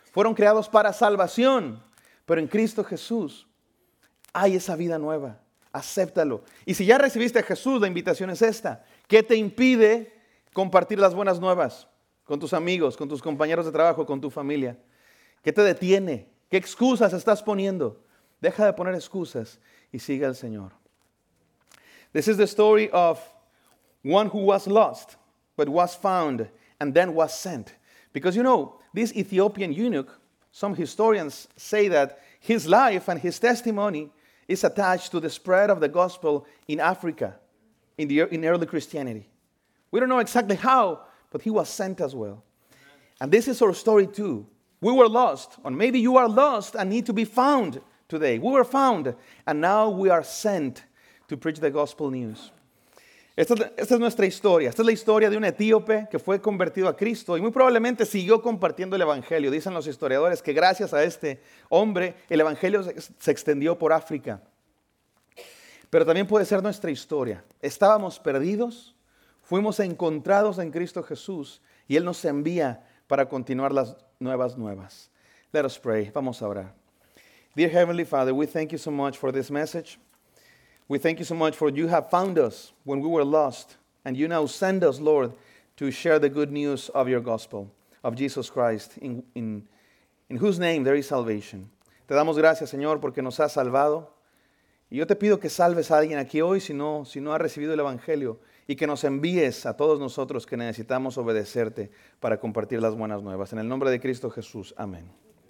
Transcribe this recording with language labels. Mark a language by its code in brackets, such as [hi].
[es] Fueron creados para salvación. Pero en Cristo Jesús hay esa vida nueva. Acéptalo. Y si ya recibiste a Jesús, la invitación es esta. ¿Qué te impide compartir las buenas nuevas con tus amigos, con tus compañeros de trabajo, con tu familia? ¿Qué te detiene? ¿Qué excusas estás poniendo? Deja de poner excusas y sigue al Señor. [en] This is the story of one who was lost, but was found and then was sent. Because you know, this Ethiopian eunuch, some historians say that his life and his testimony is attached to the spread of the gospel in Africa, in early Christianity. We don't know exactly how, but he was sent as well. And this is our story too. We were lost, or maybe you are lost and need to be found today. We were found, and now we are sent to preach the gospel news. [es] Esta es nuestra historia. Esta es la historia de un etíope que fue convertido a Cristo y muy probablemente siguió compartiendo el Evangelio. Dicen los historiadores que gracias a este hombre, el Evangelio se extendió por África. Pero también puede ser nuestra historia. Estábamos perdidos, fuimos encontrados en Cristo Jesús y Él nos envía para continuar las nuevas nuevas. [en] Let us pray. [es] Vamos a orar. [en] Dear Heavenly Father, we thank you so much for this message. We thank you so much for you have found us when we were lost, and you now send us, Lord, to share the good news of your gospel, of Jesus Christ, in whose name there is salvation. [es] Te damos gracias, Señor, porque nos has salvado. Y yo te pido que salves a alguien aquí hoy si no ha recibido el Evangelio y que nos envíes a todos nosotros que necesitamos obedecerte para compartir las buenas nuevas. En el nombre de Cristo Jesús, amén.